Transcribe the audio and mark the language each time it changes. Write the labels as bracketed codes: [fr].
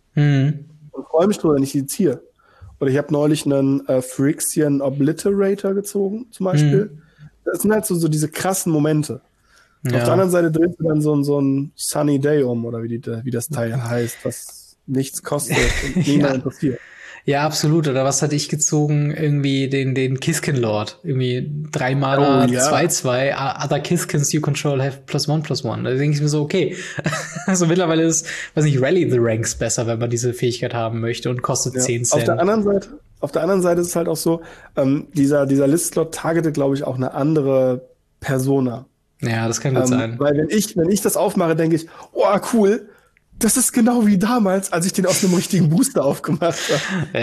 [de] Und freue mich drüber, wenn ich die ziehe. Oder ich habe neulich einen Phyrexian Obliterator gezogen, zum Beispiel. Das sind halt so diese krassen Momente. Ja. Auf der anderen Seite dreht sich dann so ein Sunny Day um, oder wie das Teil heißt, was nichts kostet und niemand interessiert. Ja, absolut. Oder was hatte ich gezogen? Irgendwie den Kiskin Lord. Irgendwie 3 Mana, 2/2. [en] Other Kiskins you control have +1/+1. [de] Da denke ich mir so, okay. Also mittlerweile ist, weiß nicht, Rally the Ranks besser, wenn man diese Fähigkeit haben möchte und kostet 10 Cent. Auf der anderen Seite ist es halt auch so, dieser Listslot targetet, glaube ich, auch eine andere Persona. Ja, das kann gut sein. Weil wenn ich das aufmache, denke ich, oh, cool. Das ist genau wie damals, als ich den auf einem richtigen Booster aufgemacht habe.